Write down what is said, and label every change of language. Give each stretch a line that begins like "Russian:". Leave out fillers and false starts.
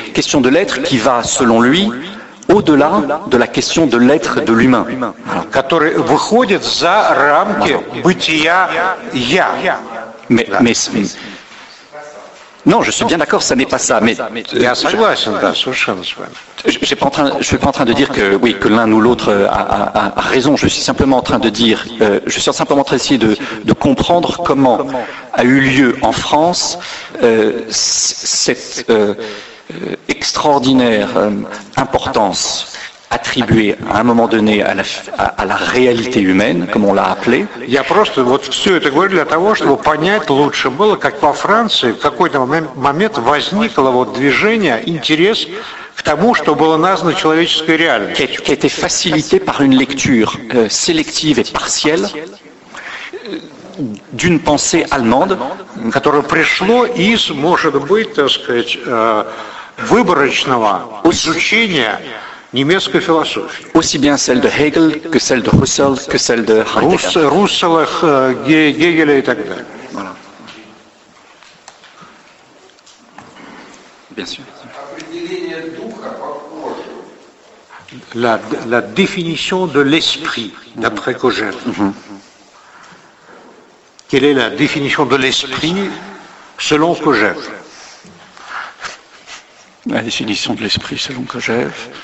French: question de l'être qui va selon lui au-delà de la question de l'être de l'humain,
Russian: который выходит за рамки бытия я.
French: Mais non, je suis bien d'accord, ça n'est pas ça, mais... Je ne suis pas en train de dire que l'un ou l'autre a raison, je suis simplement en train de dire, je suis simplement en train d'essayer de comprendre comment a eu lieu en France cette extraordinaire importance attribuée à un moment donné à la réalité humaine, comme on l'a appelé.
Russian: Я просто вот все это говорю для того, чтобы понять лучше было, как во Франции в какой-то момент возникло вот движение, интерес к тому, что было названо человеческой реальностью.
French: Qui a été facilité par une lecture sélective et partielle d'une pensée allemande,
Russian: которое пришло из, может быть, так сказать, выборочного изучения немецкой философии.
French: Aussi bien celle de Hegel que celle de Husserl que celle de Heidegger.
Russian: Руссела, Гегеля и так далее.
French: Voilà. Bien sûr.
Russian: Определение духа по коже.
French: La définition de l'esprit d'après Kojève. Quelle est la définition de l'esprit selon Kojève? La définition de l'esprit selon Kojève.